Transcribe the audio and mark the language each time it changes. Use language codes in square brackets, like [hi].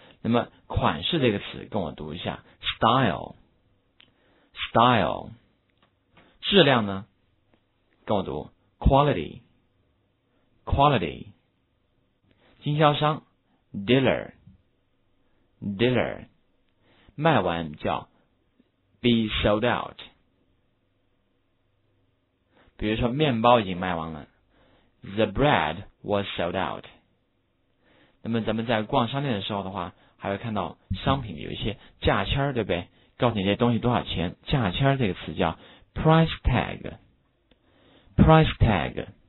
[zh] 那么款式这个词跟我读一下，style，style。质量呢，跟我读 quality，quality。经销商 dealer，dealer。卖完叫 be sold out。比如说，面包已经卖完了， [en] The bread was sold out。 [zh] 那么咱们在逛商店的时候的话，还会看到商品有一些价签儿，对不对？告诉你这东西多少钱。价签儿这个词叫 price tag，price tag。